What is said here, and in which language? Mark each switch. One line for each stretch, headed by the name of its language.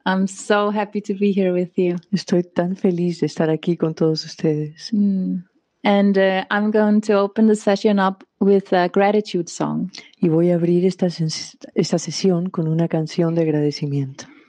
English: I'm so happy to be here with you.
Spanish: Estoy tan feliz de estar aquí con todos ustedes.
English: And I'm going to open the session up with a gratitude song.
Spanish: Y voy a abrir esta sesión con una canción de agradecimiento.